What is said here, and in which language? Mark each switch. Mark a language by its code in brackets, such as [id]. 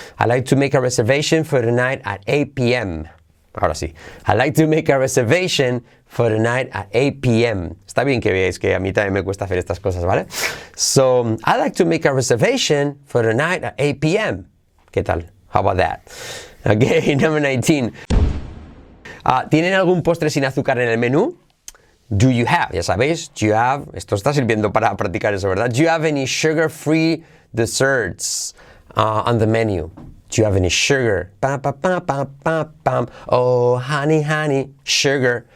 [en] I'd like to make a reservation for tonight at 8 p.m. [es] Ahora sí. [en] I'd like to make a reservation for tonight at 8 p.m. [es] Está bien que veáis que a mí también me cuesta hacer estas cosas, ¿vale? [en] So, I'd like to make a reservation for tonight at 8 p.m. [es] ¿Qué tal? [en] How about that? Okay, number 19. [es] ¿Tienen algún postre sin azúcar en el menú? [en] Do you have? [es] Ya sabéis, [en] do you have? [es] Esto está sirviendo para practicar eso, ¿verdad? [en] Do you have any sugar-free desserts on the menu? Do you have any sugar? Pam, pam, pam, pam, pam, pam. Oh, honey, honey, sugar.